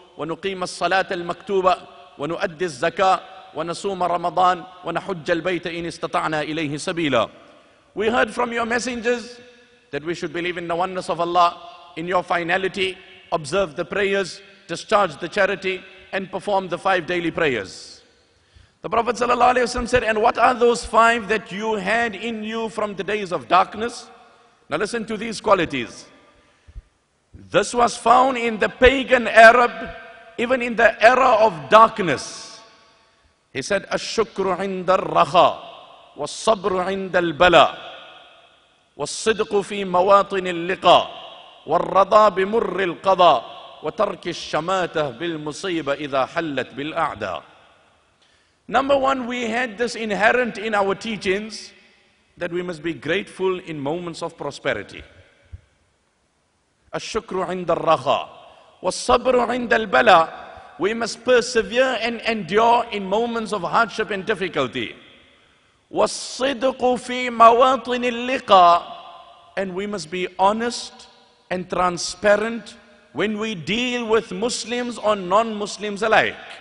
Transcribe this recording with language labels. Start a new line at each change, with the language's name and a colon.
Arabic: ونقيم الصلاة المكتوبة ونؤدي الزكاة ونصوم رمضان ونحج البيت إن استطعنا إليه سبيلا."
English: We heard from your messengers that we should believe in the oneness of Allah, in your finality, observe the prayers, discharge the charity, and perform the 5 daily prayers. The Prophet sallallahu alaihi wasallam said, "And what are those 5 that you had in you from the days of darkness?" Now listen to these qualities. This was found in the pagan Arab, even in the era of darkness. He said,
Arabic: "Ash-shukru 'inda ar-rakha, was-sabru 'inda al-bala, was-sidqu fi mawatin al-liqa, war-radha bi-murri al-qada, وترك الشماتة بالمصيبة إذا حلت بالأعداء.
English: Number one, we had this inherent in our teachings that we must be grateful in moments of prosperity.
Arabic: الشكر عند الرخاء والصبر عند البلاء.
English: We must persevere and endure in moments of hardship and difficulty.
Arabic: والصدق في مواطن اللقاء.
English: And we must be honest and transparent when we deal with Muslims or non-Muslims alike.